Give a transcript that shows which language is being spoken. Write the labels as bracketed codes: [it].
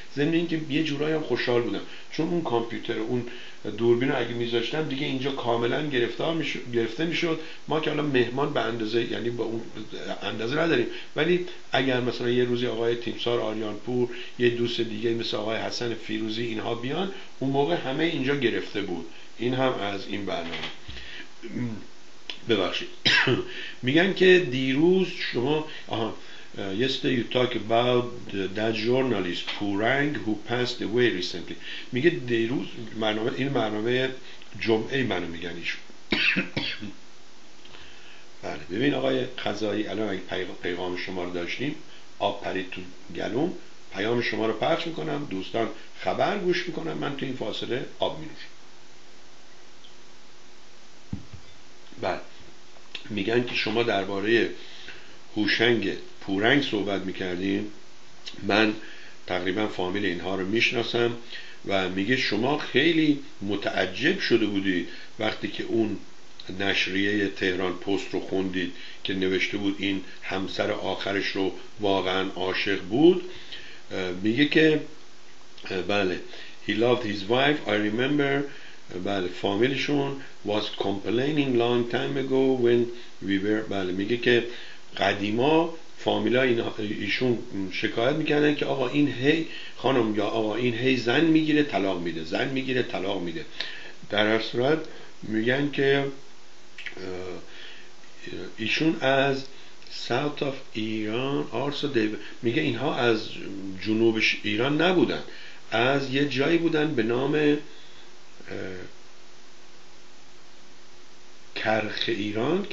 [fa] ضمن اینکه یه جورایی هم خوشحال بودم، چون اون کامپیوتر و اون دوربین رو اگه میذاشتم دیگه اینجا کاملا گرفته میشد. ما که الان مهمان به اندازه، یعنی به اون اندازه نداریم، ولی اگر مثلا یه روزی آقای تیمسار آریانپور یه دوست دیگه مثل آقای حسن فیروزی اینها بیان، اون موقع همه اینجا گرفته بود. این هم از این برنامه. ببخشید میگن که دیروز شما [en] yesterday you talk about that journalist who rang who passed away recently. [fa] میگه دیروز برنامه، این برنامه جمعه منو میگن ایشون. بله ببین آقای قضایی، الان اگه پیغام شما رو داشتیم آب پرید تو گلوم، پیام شما رو پخش میکنم، دوستان خبر گوش میکنم، من تو این فاصله آب مینوشم. بله میگن که شما درباره هوشنگ پورنگ صحبت میکردیم، من تقریبا فامیل اینها رو میشناسم و میگه شما خیلی متعجب شده بودی وقتی که اون نشریه تهران پست رو خوندید که نوشته بود این همسر آخرش رو واقعا عاشق بود. میگه که بله [en] he loved his wife I remember. [fa] بله فامیلشون [en] was complaining long time ago when we were. [fa] بله میگه که قدیما فامیلا ایشون شکایت میکردن که آقا این هی خانم یا آقا این هی زن میگیره طلاق میده، زن میگیره طلاق میده. در هر صورت میگن که ایشون از [en] south of Iran آرسو دیو، [fa] میگه اینها از جنوب ایران نبودن، از یه جایی بودن به نام کرخ ایران.